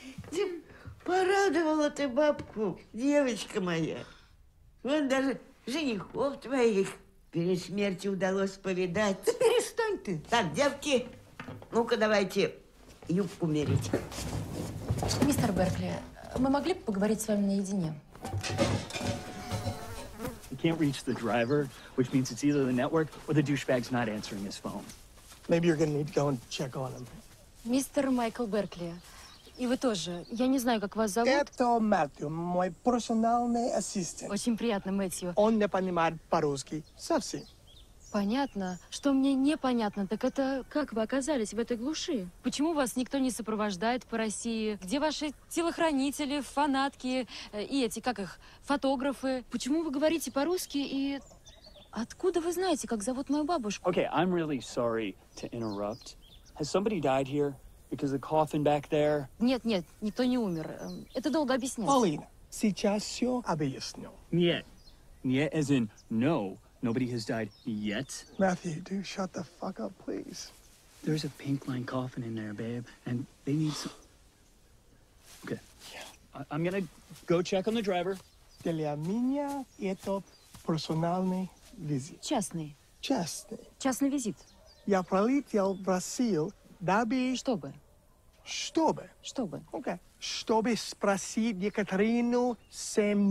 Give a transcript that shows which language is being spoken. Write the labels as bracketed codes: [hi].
[ru] Ты порадовала ты бабку, девочка моя. Вон даже женихов твоих перед смертью удалось повидать. Да перестань ты. Так, девки, ну-ка давайте юбку мерить. Мистер Беркли, мы могли бы поговорить с вами наедине? [en] Can't reach the driver, which means it's either the network or the douchebag's not answering his phone. Maybe you're gonna need to go and check on him. [ru] Мистер Майкл Беркли, и вы тоже. Я не знаю, как вас зовут. Это Мэтью, мой персональный ассистент. Очень приятно, Мэтью. Он не понимает по-русски совсем. Понятно. Что мне непонятно, так это как вы оказались в этой глуши? Почему вас никто не сопровождает по России? Где ваши телохранители, фанатки и эти, как их, фотографы? Почему вы говорите по-русски и откуда вы знаете, как зовут мою бабушку? [en] Okay, I'm really sorry to interrupt. Has somebody died here? Because the coffin back there? [ru] Нет, нет, никто не умер. Это долго объяснять. Полина, сейчас все объясню. Нет. Нет, [en] as in no. Nobody has died yet. Matthew, dude, shut the fuck up, please. There's a pink lined coffin in there, babe, and they need some. Okay. Yeah. I'm gonna go check on the driver. [ru] Для меня это персональный визит. Частный. Частный. Частный визит. Я пролетел в Россию, дабы. Чтобы. Чтобы. Чтобы. [en] Okay. [ru] Чтобы спросить Екатерину Сем.